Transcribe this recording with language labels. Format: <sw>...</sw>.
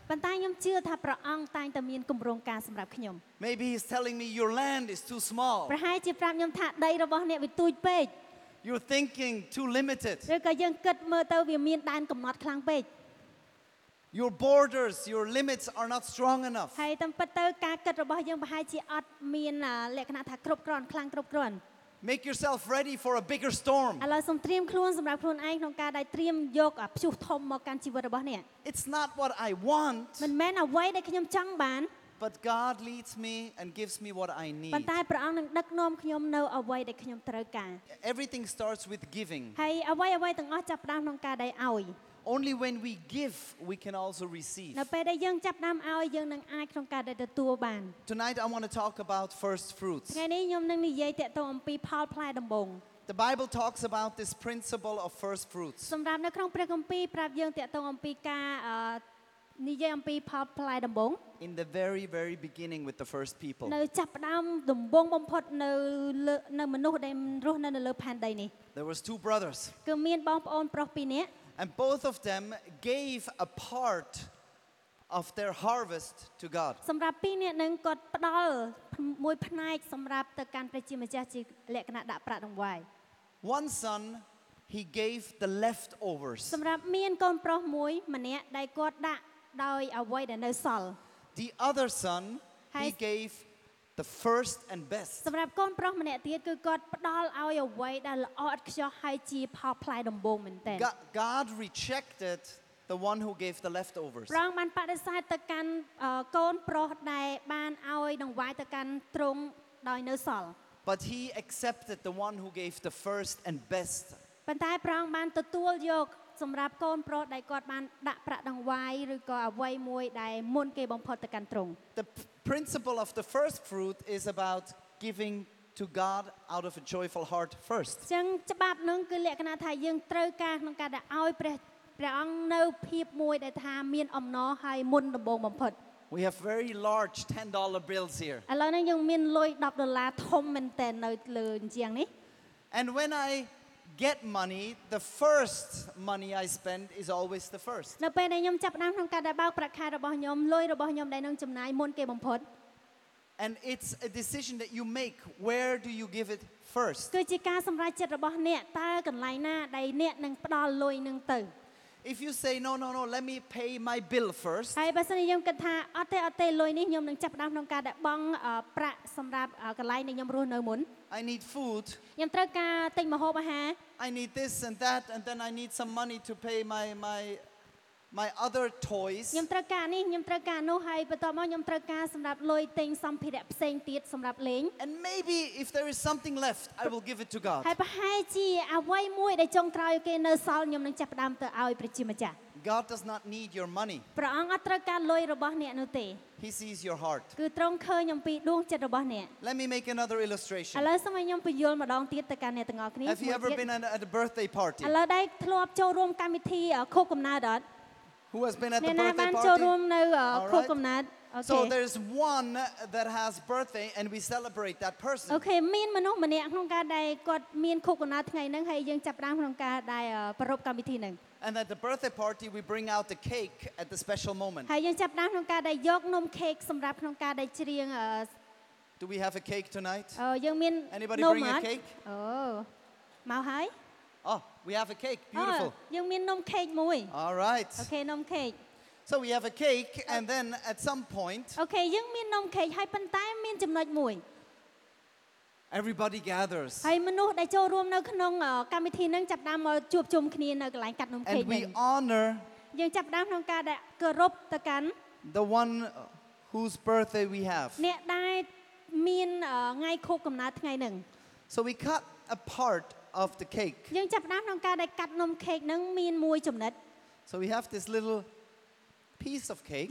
<km>ប៉ុន្តែខ្ញុំជឿថាព្រះអង្គតែងតែមានគម្រោងការសម្រាប់ខ្ញុំ</km> <en>Maybe he's telling me your land is too small.</en> <km>ប្រហែលជាប្រាប់ខ្ញុំថាដីរបស់អ្នកវាទូចពេក</km> <en>You're thinking too limited.</en> <km>ឬក៏យើងគិតមើលទៅវាមានដែនកំណត់ខ្លាំងពេក</km> <en>Your borders, your limits are not strong enough.</en> <km>ហើយតាមពិតទៅការគិតរបស់យើងប្រហែលជាអត់មានលក្ខណៈថាគ្រប់គ្រាន់ខ្លាំងគ្រប់គ្រាន់</km> <en>Make yourself ready for a bigger storm.</en> <km>ឥឡូវសូមត្រៀមខ្លួនសម្រាប់ខ្លួនឯងក្នុងការដែលត្រៀមយកព្យុះធំមកកាន់ជីវិតរបស់អ្នក</km> <en>It's not what I want.</en> <km>មិនមែនអ្វីដែលខ្ញុំចង់បាន</km> <en>But God leads me and gives me what I need.</en> <km>ប៉ុន្តែព្រះអង្គនឹងដឹកនាំខ្ញុំនៅអ្វីដែលខ្ញុំត្រូវការ</km> <en>Everything starts with giving.</en> <km>ហើយអ្វីទាំងអស់ចាប់ផ្ដើមក្នុងការដែលឲ្យ</km> <en>Only when we give we can also receive.</en> <km>នៅពេលដែលយើងចាប់ដើមឲ្យយើងនឹងអាចក្នុងការទទួលបាន</km> <en>Tonight I want to talk about first fruits.</en> <km>ថ្ងៃនេះខ្ញុំនឹងនិយាយទាក់ទងអំពីផលផ្លែដំបូង</km> <en>The Bible talks about this principle of first fruits.</en> <km>សម្រាប់នៅក្នុងព្រះគម្ពីរប្រាប់យើងទាក់ទងអំពីការនិយាយអំពីផលផ្លែដំបូង</km> <en>In the very very beginning with the first people.</en> <km>នៅចាប់ដើមដំបូងបំផុតនៅមនុស្សដែលរស់នៅលើផែនដីនេះ</km> <en>There was two brothers.</en> <km>គឺមានបងប្អូនប្រុសពីរនាក់</km> <en>And both of them gave a part of their harvest to God.</en> <km>សម្រាប់ពីរនាក់នឹងគាត់ផ្ដល់មួយផ្នែកសម្រាប់ទៅកាន់ព្រះជាម្ចាស់ជាលក្ខណៈដាក់ប្រាក់រង្វាយ</km> <en>One son he gave the leftovers.</en> <km>សម្រាប់មានកូនប្រុសមួយម្នាក់ដែលគាត់ដាក់ដោយអ្វីដែលនៅសល់</km> <en>The other son he gave the first and best.</en> <km>សម្រាប់កូនប្រុសម្នាក់ទៀតគឺគាត់ផ្ដល់ឲ្យអ្វីដែលល្អឥតខ្ចោះហើយជាផលផ្លែដំបូងមែនទែន</km> <en>God rejected the one who gave the leftovers.</en> <km>ព្រះបានបដិសេធទៅកាន់កូនប្រុសដែលបានឲ្យដង្វាយទៅកាន់ទ្រង់ដោយនៅសល់</km> <en>But he accepted the one who gave the first and best.</en> <km>ប៉ុន្តែព្រះបានទទួលយកសម្រាប់កូនប្រុសដែលគាត់បានដាក់ប្រាក់ដង្វាយឬក៏អ្វីមួយដែលមុនគេបំផុតទៅកាន់ទ្រង់</km> <en>The principle of the first fruit is about giving to God out of a joyful heart first.</en> <km>ចឹងច្បាប់នឹងគឺលក្ខណៈថាយើងត្រូវការក្នុងការដែលឲ្យព្រះអង្គនៅភាពមួយដែលថាមានអំណរហើយមុនដំបូងបំផុត</km> <en>We have very large $10 bills here.</en> <km>ឥឡូវនេះយើងមានលុយ10ដុល្លារធំមែនទែននៅលើជាងនេះ</km> <en>And when I get money, the first money I spend is always the first.</en> <km>នៅពេលដែលខ្ញុំចាប់ផ្ដើមក្នុងការដែលបើកប្រាក់ខែរបស់ខ្ញុំលុយរបស់ខ្ញុំដែលនឹងចំណាយមុនគេបំផុត</km> <en>And it's a decision that you make. Where do you give it first?</en> <km>គឺជាការសម្រេចចិត្តរបស់អ្នកតើកន្លែងណាដែលអ្នកនឹងផ្ដល់លុយនឹងទៅ</km> <en>If you say no, let me pay my bill first.</en> <km>ហើយបើសិនជាខ្ញុំគិតថាអត់ទេលុយនេះខ្ញុំនឹងចាប់ផ្ដើមក្នុងការដែលបង់ប្រាក់សម្រាប់កន្លែងដែលខ្ញុំរស់នៅមុន</km> <en>I need food.</en> <km>ខ្ញុំត្រូវការទិញម្ហូបអាហារ</km> <en>I need this and that and then I need some money to pay my other toys.</en> <km>ខ្ញុំត្រូវការនេះខ្ញុំត្រូវការនោះហើយបន្ទាប់មកខ្ញុំត្រូវការសម្រាប់លុយទិញសម្ភារៈផ្សេងទៀតសម្រាប់លេង</km> <en>And maybe if there is something left I will give it to God.</en> <km>ហើយប្រហែលជាអ្វីមួយដែលចង់ក្រោយគេនៅសល់ខ្ញុំនឹងចាប់ផ្ដើមទៅឲ្យព្រះជាម្ចាស់</km> <en>God does not need your money.</en> <km>ព្រះអង្គអត់ត្រូវការលុយរបស់អ្នកនោះទេ</km> <en>He sees your heart.</en> <km>គឺទ្រង់ឃើញអំពីដួងចិត្តរបស់អ្នក</km> <en>Let me make another illustration.</en> <km>ឥឡូវសូមឲ្យខ្ញុំពន្យល់ម្ដងទៀតទៅកាន់អ្នកទាំងអស់គ្នា</km> <en>Have you ever been at a birthday party?</en> <km>ឥឡូវដែរធ្លាប់ចូលរួមកម្មវិធីខួបកំណើតអត់</km> <en>Who has been at the birthday party?</en> <km>ចូលរួមនៅខួបកំណើត Okay.</km> <en>So there is one that has birthday and we celebrate that person.</en> <km>Okay, មានមនុស្សម្នាក់ក្នុងការដែលគាត់មានខួបកំណើតថ្ងៃហ្នឹងហើយយើងចាប់ផ្ដើមក្នុងការដែលប្រារព្ធកម្មវិធីហ្នឹង</km> <en>And at the birthday party we bring out the cake at the special moment.</en> <km>ហើយយើងចាប់ផ្ដើមក្នុងការដែលយកនំខេកសម្រាប់ក្នុងការដែលច្រៀង</km> <en>Do we have a cake tonight?</en> <km>យើងមាន</km> <en>Anybody bring a cake?</en> <km>Oh. មកហើយ</km> <en>Oh, we have a cake. Beautiful.</en> <km>យើងមាននំខេកមួយ</km> <en>All right.</en> <km>Okay, នំខេក</km> <en>So we have a cake and then at some point</en> <km>Okay, យើងមាននំខេកហើយប៉ុន្តែមានចំណុចមួយ</km> <en>Everybody gathers.</en> <km>ហើយមនុស្សដែលចូលរួមនៅក្នុងកម្មវិធីហ្នឹងចាប់ដើមមកជួបជុំគ្នានៅកន្លែងកាត់នំខេក ហ្នឹង</km> <en>And we honor</en> <km>យើងចាប់ដើមក្នុងការដែលគោរពទៅកាន់</km> <en>The one whose birthday we have.</en> <km>អ្នកដែលមានថ្ងៃខួបកំណើតថ្ងៃហ្នឹង</km> <en>So we cut a part of the cake.</en> <km>យើងចាប់ផ្ដើមក្នុងការដែលកាត់នំខេកហ្នឹងមានមួយចំណិត</km> <en>So we have this little piece of cake.</en>